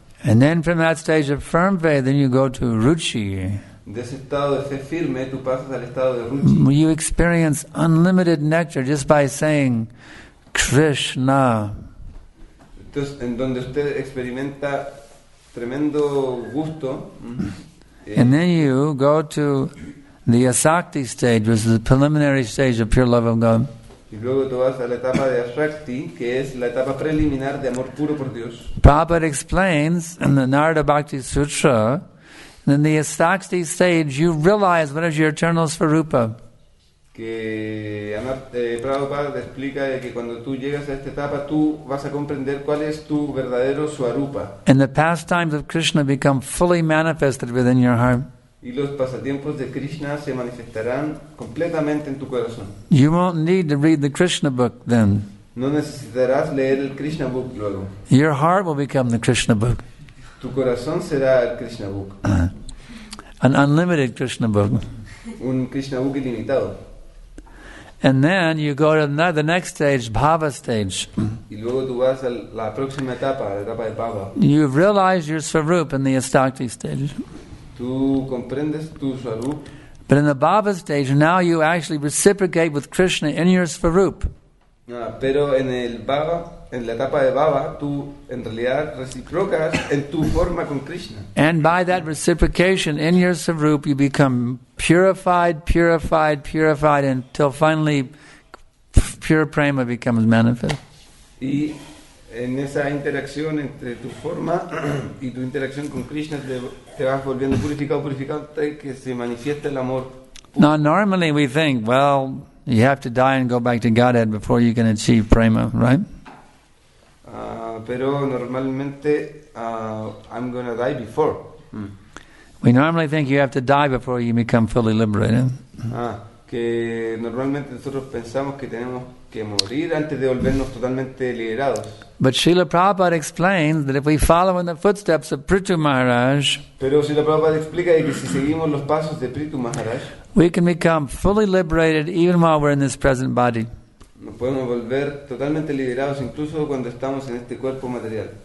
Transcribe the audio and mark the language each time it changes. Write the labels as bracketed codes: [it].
[en] And then from that stage of firm faith, then you go to ruchi. [es] De ese estado de fe firme, tú pasas al estado de ruchi. [en] You experience unlimited nectar just by saying Krishna. [es] Entonces, en donde usted experimenta tremendo gusto. [en] And then you go to the asakti stage, which is the preliminary stage of pure love of God. [es] Y luego tú vas a la etapa de asakti, que es la etapa preliminar de amor puro por Dios. [en] Prabhupada explains in the Narada Bhakti Sutra, in the asakti stage, you realize what is your eternal svarupa. [es] Que Prabhupada explica que cuando tú llegas a esta etapa tú vas a comprender cuál es tu verdadero swarupa. [en] And the pastimes of Krishna become fully manifested within your heart. [es] Y los pasatiempos de Krishna se manifestarán completamente en tu corazón. [en] You won't need to read the Krishna book then. [es] No necesitarás leer el Krishna book luego. [en] Your heart will become the Krishna book. [es] Tu corazón será el Krishna book. [en] An unlimited Krishna book. [es] Un Krishna book ilimitado. [en] And then you go to the next stage, bhava stage. [es] Y luego tú vas a la próxima etapa, la etapa de bhava. [en] You've realized your swarup in the astakti stage. [es] Tú comprendes tu swarup. [en] But in the bhava stage, now you actually reciprocate with Krishna in your swarup. [es] Ah, pero en el bhava, en la etapa de bhava, tú en realidad reciprocas en tu forma con Krishna. [en] And by that reciprocation in your swarup, you become purified, purified, purified, until finally pure prema becomes manifest. [es] Y en esa interacción entre tu forma y tu interacción con Krishna te vas volviendo purificado, purificado, hasta que se manifiesta el amor. [en] Now, normally we think, well, you have to die and go back to Godhead before you can achieve prema, right? [es] pero normalmente [en] I'm going to die before. We normally think you have to die before you become fully liberated. [es] Que normalmente nosotros pensamos que tenemos que morir antes de volvernos totalmente liberados. [en] But Srila Prabhupada explains that if we follow in the footsteps of Prithu Maharaj, [es] pero Srila Prabhupada explica que si seguimos los pasos de Prithu Maharaj, [en] we can become fully liberated even while we're in this present body. [es] Nos podemos volver totalmente liberados incluso cuando estamos en este cuerpo material.